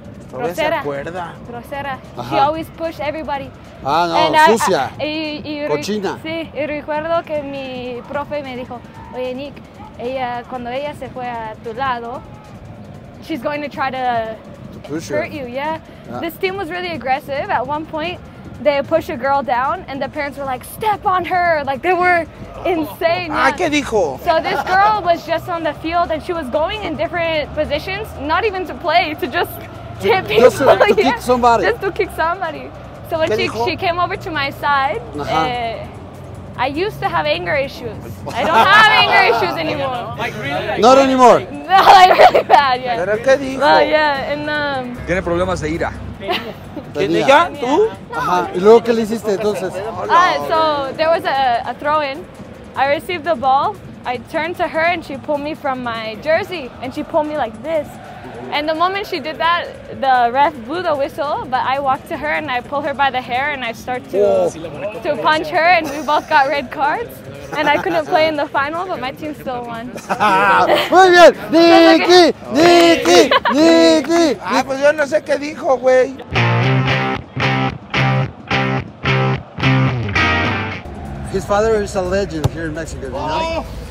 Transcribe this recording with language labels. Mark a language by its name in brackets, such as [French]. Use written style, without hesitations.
[Spanish] grosera. ¿Se acuerda? Grosera. [English] She always push everybody. Ah, no, and [Spanish] sucia. Cochina. Sí, y recuerdo que mi profe me dijo, oye, Nick, ella, cuando ella se fue a tu lado, [English] she's going to try to... push hurt you, yeah. This team was really aggressive. At one point, they push a girl down, and the parents were like, step on her. Like, they were insane. Yeah. [Spanish] Ah, ¿qué dijo? [English] So this girl was just on the field, and she was going in different positions, not even to play, to just hit people. Just to kick somebody. Just to kick somebody. So when she came over to my side, I used to have anger issues. I don't have anger issues anymore. Like, really? Like, not anymore. No, like, really bad, yeah. [Spanish] ¿Pero qué dijo? [English] Well, yeah, and, [Spanish] ¿tiene problemas de ira? ¿Tenía? ¿Tenía? ¿Tú? No. Ajá. ¿Y luego qué le hiciste, entonces? [English] So, there was a throw-in. I received the ball. I turned to her, and she pulled me from my jersey. And she pulled me like this. And the moment she did that, the ref blew the whistle, but I walked to her and I pulled her by the hair and I start to punch her and we both got red cards and I couldn't play in the final, but my team still won. [Spanish] Muy bien, Nicky, Nicky, Nicky. Ah, pues yo no sé qué dijo, güey. [English] His father is a legend here in Mexico, you know?